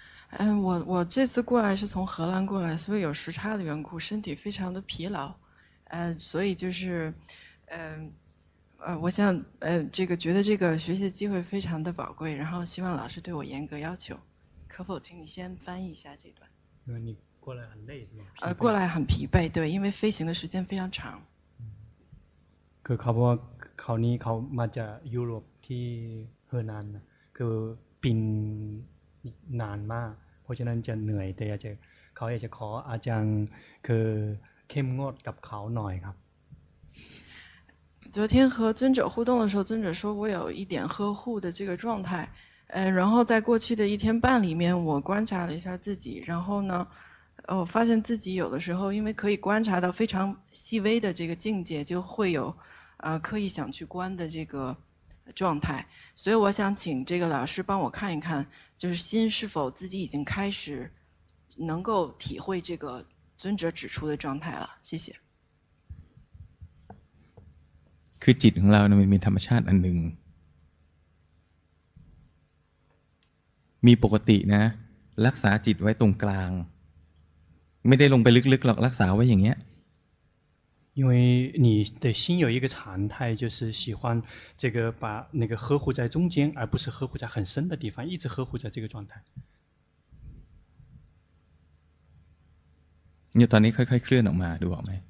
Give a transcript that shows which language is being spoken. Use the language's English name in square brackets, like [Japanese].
[Chinese] 嗯我这次过来是从荷兰过来所以有时差的缘故身体非常的疲劳所以就是我想这个觉得这个学习机会非常的宝贵然后希望老师对我严格要求可否请你先翻译一下这段因为你过来很累是吗过来很疲惫对因为飞行的时间非常长 [Thai] คือเขาบอกเขานี่เขามาจากยุโรปที่เฮอร์นันคือบินนานมากเพราะฉะนั้นจะเหนื่อยแต่อยากจะเขาอยากจะขออาจารย์คือเข้มงวดกับเขาหน่อยครับ [Chinese] 昨天和尊者互动的时候尊者说我有一点呵护的这个状态然后在过去的一天半里面我观察了一下自己然后呢我发现自己有的时候因为可以观察到非常细微的这个境界就会有刻意想去观的这个状态所以我想请这个老师帮我看一看就是心是否自己已经开始能够体会这个尊者指出的状态了谢谢 [Thai] คือจิตของเรานะมันมีธรรมชาติอันหนึ่งมีปกตินะรักษาจิตไว้ตรงกลางไม่ได้ลงไปลึกๆหรอกรักษาไว้อย่างเงี้ย [Chinese] 因为你的心有一个常态就是喜欢这个把那个呵护在中间而不是呵护在很深的地方一直呵护在这个状态你 [Thai] ตอนนี้ค่อยๆเคลื่อนออกมาดูออกไหม